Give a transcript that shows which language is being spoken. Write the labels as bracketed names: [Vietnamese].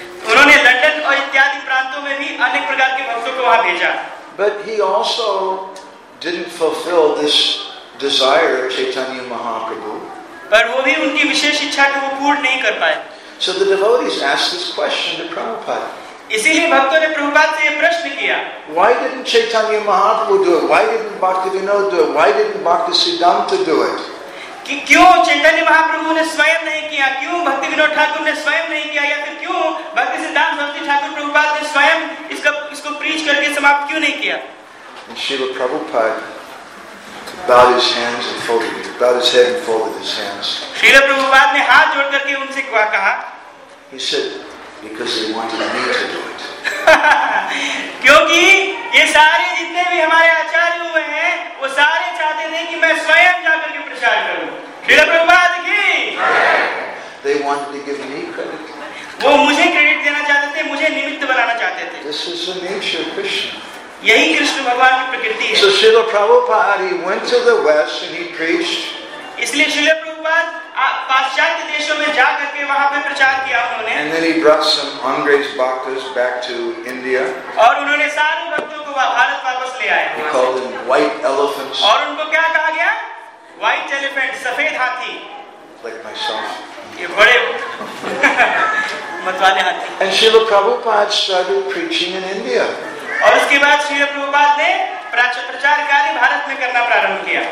[Hindi] उन्होंने लंदन और इत्यादि प्रांतों में भी अनेक प्रकार के भक्तों को वहां भेजा। [English] But he also didn't fulfill this desire of Chaitanya Mahaprabhu. [Hindi] पर वो भी उनकी विशेष इच्छा को पूर्ण नहीं कर पाए। [English] So the devotees asked this question to Prabhupada. [Hindi] इसीलिए भक्तों ने प्रभुपाद से ये प्रश्न किया। [English] Why didn't Chaitanya Mahaprabhu do it? Why didn't Bhaktivinoda do it? Why didn't Bhaktisiddhanta do it? [Hindi] कि क्यों चैतन्य महाप्रभु ने स्वयं नहीं किया, क्यों भक्ति विनोद ठाकुर ने स्वयं नहीं किया, या फिर क्यों भक्ति सिद्धांत भक्ति ठाकुर प्रभुपाद ने स्वयं इसको प्रीच करके समाप्त क्यों नहीं किया? [English] Srila Prabhupada bowed his hands and folded, bowed his head and folded his hands. [Hindi] Srila Prabhupada ने हाथ जोड़ करके उनसे कहा, [English] He said, Because they wanted me to do it. [Hindi] क्योंकि ये सारे जितने भी हमारे आचार्य हुए हैं वो सारे चाहते थे कि मैं स्वयं जाकर के प्रचार करूं। श्रील प्रभुपाद की [English] They wanted to give me credit. [Hindi] वो मुझे क्रेडिट देना चाहते थे, मुझे निमित्त बनाना चाहते थे। [English] This is the nature of Krishna. [Hindi] यही कृष्ण भगवान की प्रकृति है। [English] So Srila Prabhupada went to the west and he preached. [Hindi] इसलिए श्रील प्रभुपाद पाश्चात्य देशों में जा करके वहां पे प्रचार किया उन्होंने। [English] And then he brought some ungrace bhaktas back to India. [Hindi] और उन्होंने सारे भक्तों को भारत वापस ले आए। [English] He called them white elephants. [Hindi] और उनको क्या कहा गया? [English] White elephants, [Hindi] सफेद हाथी। [English] Like myself. [Hindi] ये बड़े मतवाले हाथी। [English] And Srila Prabhupada started preaching in India. [Hindi] और उसके बाद श्रील प्रभुपाद ने प्रचार कार्य भारत में करना प्रारंभ किया।